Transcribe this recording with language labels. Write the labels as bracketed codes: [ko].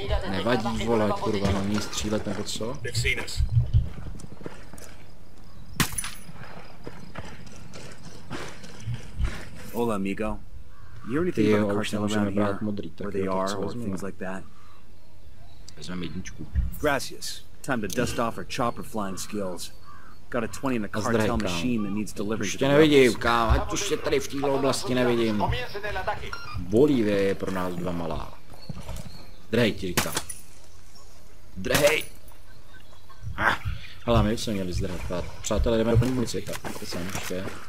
[cs] Nevadí, vole, kurva, na ní střílet nebo co? [es] Hola, amigo. [cs] Ty jo, už nemůžeme brát modrý, tak jo, to co vezmeme. Vezmeme jedničku. [es] Gracias. [en] Time to dust off our chopper flying skills. Got a 20 in the cartel machine that needs delivery. [cs] Ještě nevidím, kámo, ať už je tady v této oblasti nevidím. Bolivie je pro nás dva malá. Drhej ti, říkám. Drhej! Hele, my jsme měli zdrhat. Přátelé, jdeme do plní munice, kde jsem ještě.